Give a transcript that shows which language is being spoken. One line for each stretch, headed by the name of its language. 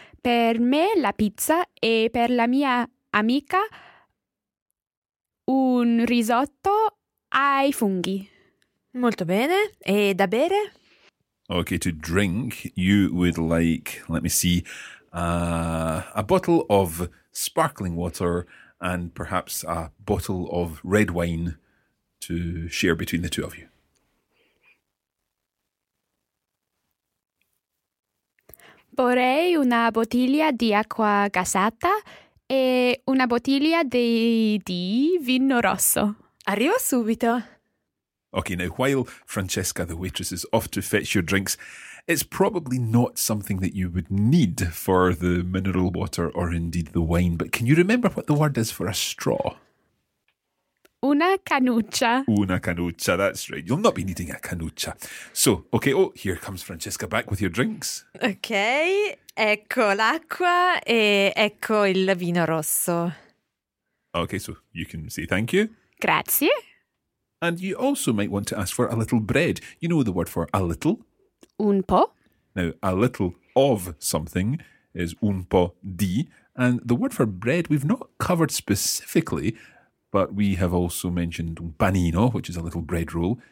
Italian: Per me la pizza e per la mia amica un risotto ai funghi. Molto bene. E da bere?
English: Okay, to drink, you would like, let me see, a bottle of sparkling water and perhaps a bottle of red wine to share between the two of you.
Italian: Vorrei una bottiglia di acqua gassata e una bottiglia di vino rosso. Arrivo subito.
English: Okay, now while Francesca, the waitress, is off to fetch your drinks, it's probably not something that you would need for the mineral water or indeed the wine, but can you remember what the word is for a straw?
Italian: Una canuccia. Una canuccia,
English: that's right. You'll not be needing a canuccia. So, okay, oh, here comes Francesca back with your drinks.
Italian: Okay, ecco l'acqua e ecco il vino rosso.
English: Okay, so you can say thank you.
Italian: Grazie.
English: And you also might want to ask for a little bread. You know the word for a little?
Italian: Un po'.
English: Now, a little of something is
Italian: un po' di.
English: And the word for bread we've not covered specifically, but we have also mentioned un panino, which is a little bread roll.